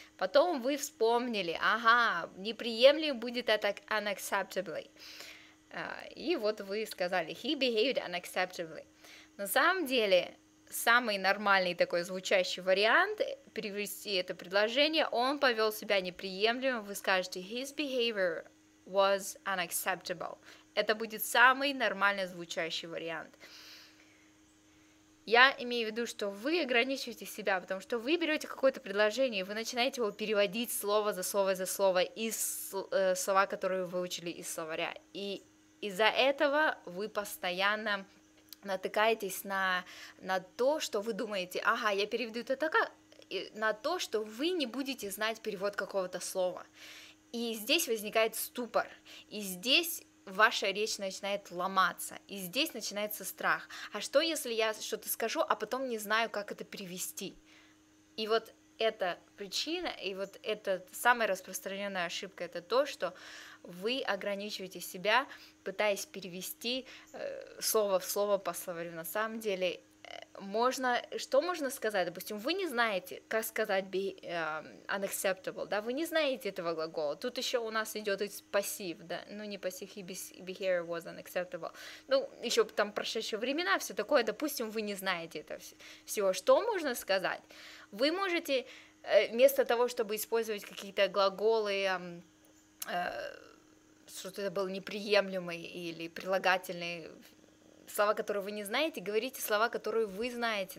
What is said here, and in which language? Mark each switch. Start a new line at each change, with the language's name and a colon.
Russian: Потом вы вспомнили, ага, неприемлемо будет это unacceptably. И вот вы сказали,
English: he behaved unacceptably.
Russian: На самом деле... Самый нормальный такой звучащий вариант перевести это предложение. Он повел себя неприемлемо. Вы скажете,
English: his behavior was unacceptable.
Russian: Это будет самый нормально звучащий вариант. Я имею в виду, что вы ограничиваете себя, потому что вы берете какое-то предложение, вы начинаете его переводить слово за слово за слово из слова, которые вы выучили из словаря. И из-за этого вы постоянно... натыкаетесь на то, что вы думаете, ага, я переведу это так, на то, что вы не будете знать перевод какого-то слова. И здесь возникает ступор, и здесь ваша речь начинает ломаться, и здесь начинается страх. А что, если я что-то скажу, а потом не знаю, как это перевести? И вот эта причина, и вот эта самая распространенная ошибка, это то, что вы ограничиваете себя, пытаясь перевести слово в слово по словарю. На самом деле, можно сказать? Допустим, вы не знаете, как сказать
English: be unacceptable,
Russian: да? Вы не знаете этого глагола. Тут еще у нас идет пассив, да? Ну, не пассив,
English: he behavior was unacceptable.
Russian: Ну, еще там прошедшие времена, все такое. Допустим, вы не знаете этого всего. Что можно сказать? Вы можете вместо того, чтобы использовать какие-то глаголы... что-то это был неприемлемый или прилагательный, слова, которые вы не знаете, говорите слова, которые вы знаете.